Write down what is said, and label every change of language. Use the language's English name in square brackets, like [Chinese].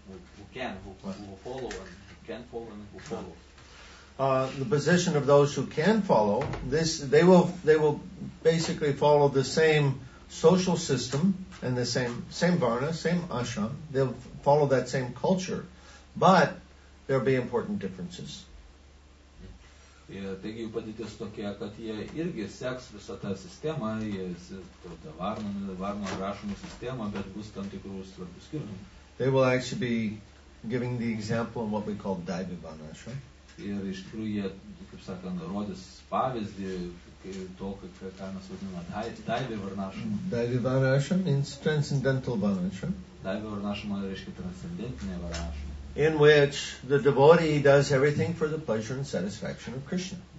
[English] Who can follow. The position of those who can follow this, they will basically follow the same social system and the same varna, same ashram. They'll follow that same culture, but there'll be important differences. [Lithuanian] Taigi jų padėtis tokia, kad jie irgi seks visą tą sistemą, jie varna rašomą sistemą, bet bus tam tikrų svarbių skirtumų. [English] They will actually be giving the example of what we call Daivivarnashrama. [Lithuanian] ir iš tikrųjų jie, kaip sakant, rodys pavyzdį to, ką mes vadiname Daivi Varnašama. [English] Daivi Varnašama means transcendental Varnašama. [Lithuanian] Daivi Varnašama reiškia transcendentinė Varnašama. [English] In which the devotee does everything for the pleasure and satisfaction of Krishna.